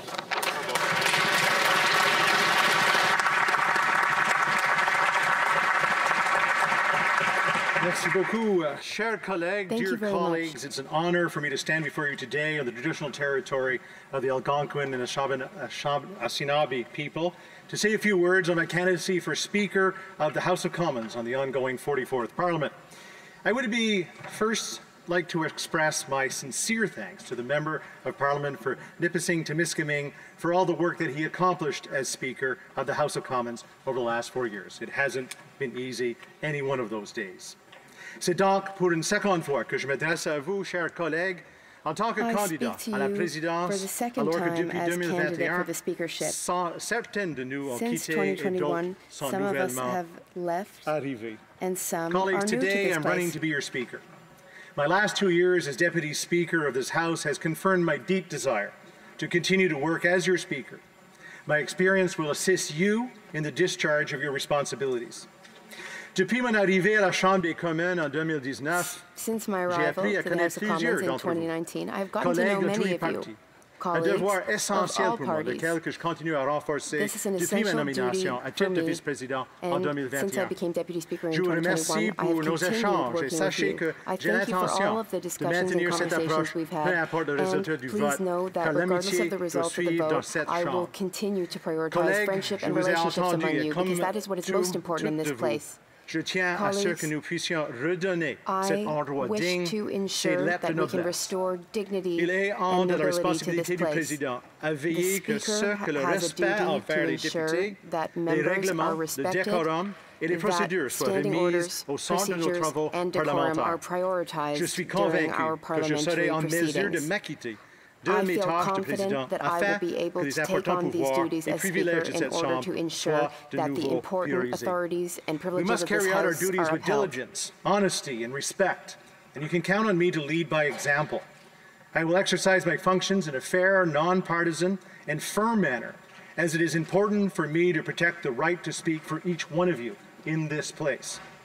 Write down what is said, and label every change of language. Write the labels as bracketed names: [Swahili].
[English] Thank you very colleagues, much. It's an honor for me to stand before you today on the traditional territory of the Algonquin and Anishinaabe people to say a few words on my candidacy for Speaker of the House of Commons on the ongoing 44th Parliament. I would be first like to express my sincere thanks to the Member of Parliament for Nipissing Temiskaming for all the work that he accomplished as Speaker of the House of Commons over the last 4 years. It hasn't been easy any one of those days. [French] C'est donc pour une seconde fois que je m'adresse à vous, chers collègues, en tant que candidat à la présidence, alors que depuis 2021, certains de nous ont quitté et d'autres sont nouvellement arrivés. [English] Colleagues, today I'm running to be your speaker. My last 2 years as deputy speaker of this House has confirmed my deep desire to continue to work as your speaker. My experience will assist you in the discharge of your responsibilities. [French] Depuis mon arrivée à la Chambre des communes en 2019, j'ai appris à connaître plusieurs d'entre vous, collègues de tous les partis, un devoir essentiel pour moi, lequel que je continue à renforcer depuis ma nomination à titre de vice-président en 2021. Je vous remercie pour nos échanges et sachez que j'ai l'intention de maintenir cette approche, peu importe le résultat du vote, car l'amitié poursuit dans cette chambre. Collègues, je vous ai entendu et comme tout de vous, je tiens à ce que nous puissions redonner cet endroit digne, ces lettres de noblesse. Il est en de la responsabilité du président à veiller que ce que le respect envers les députés, les règlements, le décorum et les procédures soient remises au centre de nos travaux parlementaires. Je suis convaincu que je serai en mesure de m'acquitter de mes tâches de président afin que les importants pouvoirs et privilèges de cette Chambre soient de nouveau priorisés. [English] We must carry out our duties with diligence, honesty, and respect, and you can count on me to lead by example. I will exercise my functions in a fair, non-partisan, and firm manner, as it is important for me to protect the right to speak for each one of you in this place.